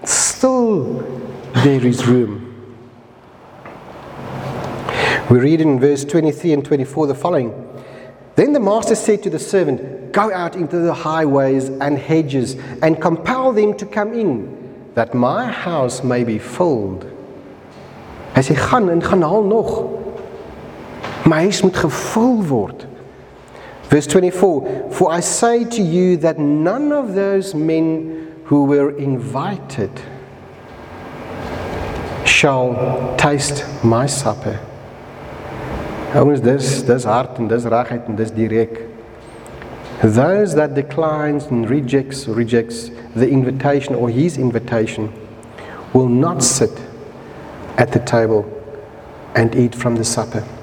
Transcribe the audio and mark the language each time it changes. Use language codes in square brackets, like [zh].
[en] Still there is room. We read in verse 23 and 24 the following. Then the master said to the servant, go out into the highways and hedges and compel them to come in, that my house may be filled. [af] Hy sê, gaan en gaan haal nog. My huis moet gevul word. [en] Verse 24, for I say to you that none of those men who were invited shall taste my supper. [af] Ouens, dis hard en dis regheid en dis direk. [en] Those that declines and rejects the invitation or his invitation will not sit at the table and eat from the supper.